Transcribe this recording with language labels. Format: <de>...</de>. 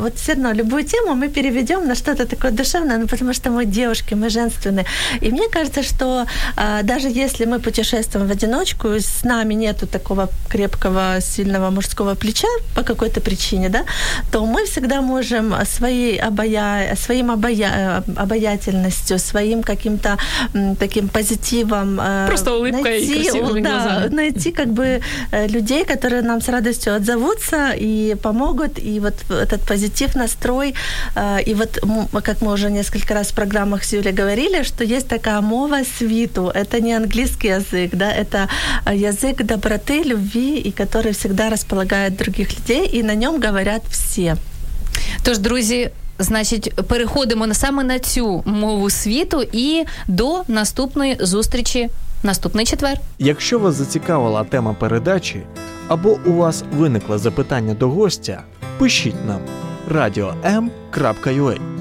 <uk>От все одно любу тему ми переведемо на щось таке душевне, ну, тому що ми дівчатки, ми женственні. І мені кажется, що навіть якщо ми путешествуем в одиночку, з нами</uk> <ru>нету такого крепкого, сильного мужського плеча по какой-то причине,</ru> <uk>да, то ми завжди можемо свої обаяти</uk> <ru>своим обаятельностью, своим каким-то таким позитивом. Просто улыбкой и красивыми глазами. Найти как бы людей, которые нам с радостью отзовутся и помогут, и вот этот позитив, настрой, и вот как мы уже несколько раз в программах с Юлей говорили, что есть такая мова свиту, это не английский язык, да, это язык доброты, любви, и который всегда располагает других людей, и на нем говорят все.</ru> <uk>Тож, друзі, значить, переходимо саме на цю мову світу і до наступної зустрічі наступний четвер. Якщо вас зацікавила тема передачі або у вас виникло запитання до гостя, пишіть нам radio.m.ua.</uk>